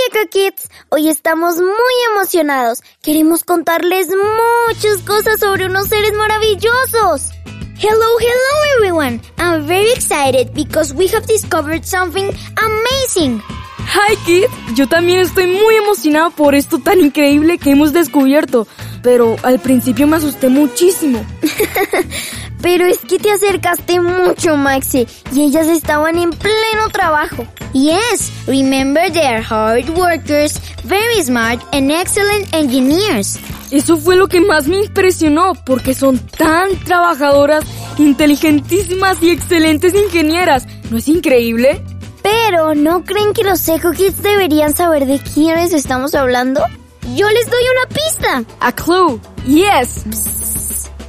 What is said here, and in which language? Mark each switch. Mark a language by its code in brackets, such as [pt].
[es] Kids, hoy estamos muy emocionados. Queremos contarles muchas cosas sobre unos seres maravillosos. [en] Hello, hello everyone. I'm very excited because we have discovered something amazing. [es] Hi kids, yo también estoy muy emocionado por esto tan increíble que hemos descubierto, pero al principio me asusté muchísimo. Pero es que te acercaste mucho, Maxi, y ellas estaban en pleno trabajo. [en] Yes, remember they are hard workers, very smart and excellent engineers. [es] Eso fue lo que más me impresionó, porque son tan trabajadoras, inteligentísimas y excelentes ingenieras. ¿No es increíble? Pero, ¿no creen que los Eco Kids deberían saber de quiénes estamos hablando? Yo les doy una pista. [en] A clue. Yes.